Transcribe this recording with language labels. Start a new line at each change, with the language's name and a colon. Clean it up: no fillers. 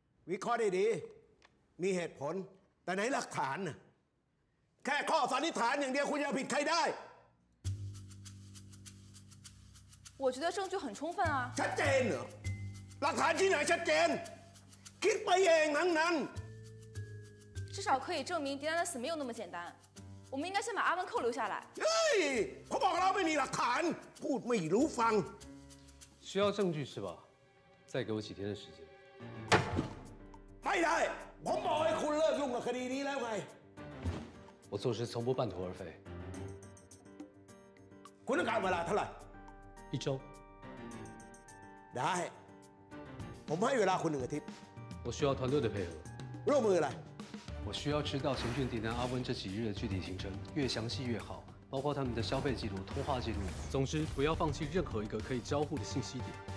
Thai: วิเคราะห์ดีๆมีเหตุผลแต่ไหนหลักฐานน่ะแค่ข้อสันนิษฐานอย่างเดียวคุณจะผิดใครได้
Chinese: 我觉得证据很充分啊
Thai: ชัดเจนเหรอหลักฐานที่ไหนชัดเจนคิดไปเองทั้งนั้น
Chinese: 至少可以证明迪娜的死没有那么简单我们应该先把阿温扣留下来
Thai: เฮ้ยเขาบอกเราไม่มีหลักฐานพูดไม่รู้ฟัง
Chinese: 需要证据是吧再给我几天的时间
Thai: ไม่ได้ผมบอกให้คุณเลิกยุ่งกับคดีนี้แล้วไง
Chinese: 我做事从不半途而废
Thai: คุณต้องการเวลาเท่าไหร่
Chinese: 一周
Thai: ได้ผมให้เวลาคุณหนึ่งอาทิตย์
Chinese: 我需要团队的配合
Thai: ร่วมมืออะไร
Chinese: 我需要知道秦俊迪南阿温这几日的具体行程越详细越好包括他们的消费记录通话记录总之不要放弃任何一个可以交互的信息点